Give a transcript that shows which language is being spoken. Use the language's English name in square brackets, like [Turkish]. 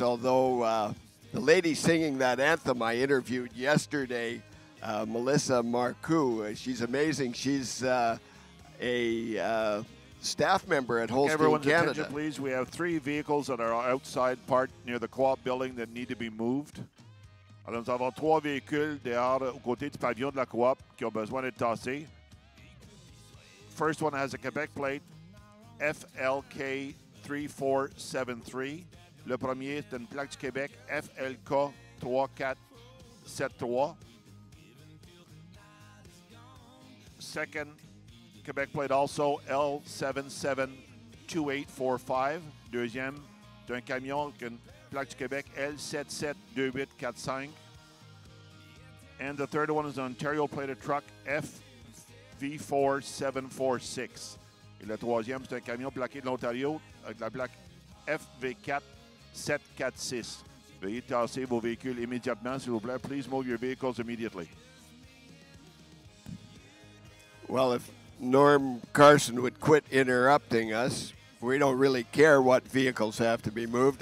[English] Although the lady singing that anthem I interviewed yesterday, Melissa Marcoux, she's amazing. She's staff member at Holstein Everyone's Canada. Everyone's attention, please. We have three vehicles that are outside parked near the co-op building that need to be moved. [French] Alors, nous avons trois véhicules dehors au côté du pavillon de la co-op qui ont besoin d'être tassés. [English] First one has a Quebec plate, FLK 3473. [French] Le premier est une plaque du Québec, FLK 3473. [English] Second Quebec plate also, L772845. [French] Deuxième d'un camion avec une plaque du Québec, L772845. [English] And the third one is an Ontario plated truck, FV4746. [French] Et le troisième c'est un camion plaqué de l'Ontario avec la plaque FV4746. Veuillez tasser vos véhicules immédiatement, s'il vous plaît. [English] Please move your vehicles immediately. Well, if Norm Carson would quit interrupting us, we don't really care what vehicles have to be moved.